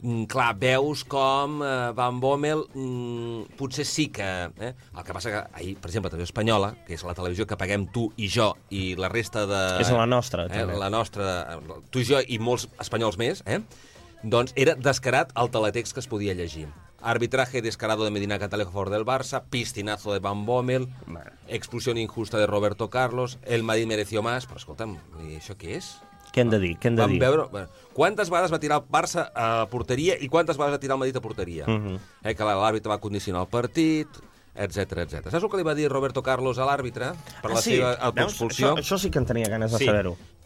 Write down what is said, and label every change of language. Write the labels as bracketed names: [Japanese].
[Catalan] Clar, veus com Van Bommel potser sí que... El que passa que ahir, per exemple, també Espanyola, que és la televisió que paguem tu i jo i la resta de... És la nostra, també. La nostra, tu i jo i molts espanyols més, Doncs era descarat el teletext que es podia llegir. [Spanish] Arbitraje descarado de Medina Cantalejo a favor del Barça, pistinazo de Van Bommel, expulsión injusta de Roberto Carlos, el Madrid mereció más... [Catalan] Però escolta'm, i això què és? Què hem de dir? Quantes vegades va tirar el Barça a porteria i quantes vegades va tirar el Madrid a porteria? Que l'àrbitre va condicionar el partit, etcètera. Saps el que li va dir Roberto Carlos a l'àrbitre per la seva autoexpulsió? Això sí que en tenia ganes de saber-ho.